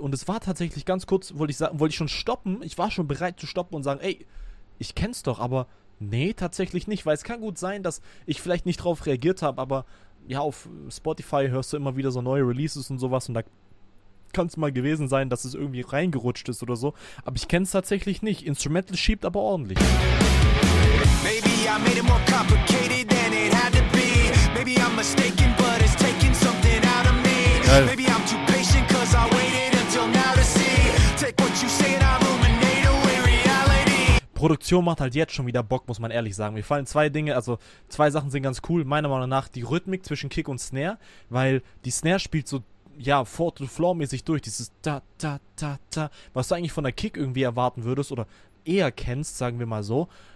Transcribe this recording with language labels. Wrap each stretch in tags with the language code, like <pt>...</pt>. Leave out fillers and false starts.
<de>Und es war tatsächlich ganz kurz, wollte ich schon stoppen. Ich war schon bereit zu stoppen und sagen, ey, ich kenne es doch, aber nee, tatsächlich nicht. Weil es kann gut sein, dass ich vielleicht nicht drauf reagiert habe, aber ja, auf Spotify hörst du immer wieder so neue Releases und sowas und da kann es mal gewesen sein, dass es irgendwie reingerutscht ist oder so. Aber ich kenne es tatsächlich nicht. Instrumental schiebt aber ordentlich.</de> <en>Maybe I made it more complicated than it had to be. Maybe I'm mistaken, but it's taking something out of me.</en> <de>Geil.</de> <en>Maybe I'm too patient, cause I waited until now to see. Take what you say and I'll illuminate away reality.</en> <de>Produktion macht halt jetzt schon wieder Bock, muss man ehrlich sagen. Mir fallen zwei Dinge, also zwei Sachen sind ganz cool, meiner Meinung nach. Die Rhythmik zwischen Kick und Snare, weil die Snare spielt so, ja, Fourth-to-Floor-mäßig durch, dieses da-da-da-da. Was du eigentlich von der Kick irgendwie erwarten würdest oder eher kennst, sagen wir mal so.</de>